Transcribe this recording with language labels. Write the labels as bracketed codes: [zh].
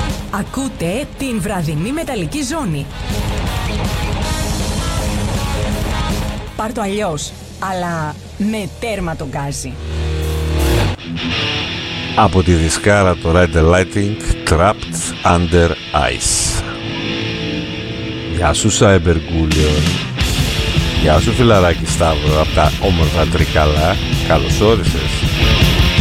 [el] Ακούτε την βραδινή μεταλλική ζώνη. Πάρ' το αλλιώς, αλλά με τέρμα τον γκάζι. Από τη δισκάρα το Ride the Lightning, Trapped Under Ice. Γεια σου Cyber Gullion. Γεια σου φιλαράκι Σταύρο, από τα όμορφα Τρικαλά, καλώς όρισες. [en] We'll be right back.